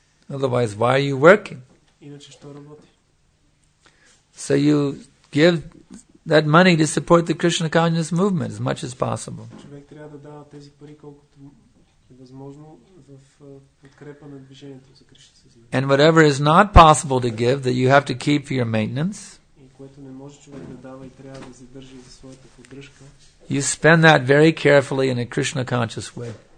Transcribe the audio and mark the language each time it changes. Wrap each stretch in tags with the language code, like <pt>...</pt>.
<en>Otherwise, why are you working?</en> <bg>Иначе що работи?</bg> <en>So you give that money to support the Krishna consciousness movement as much as possible.</en> <bg>Човек трябва да дава тези пари колкото е възможно в подкрепа на движението за Кришна съзнание.</bg> <en>And whatever is not possible to give that you have to keep for your maintenance.</en> <bg>И което не може човек да дава и трябва да задържи за своята поддръжка.</bg> <en>You spend that very carefully in a Krishna conscious way.</en>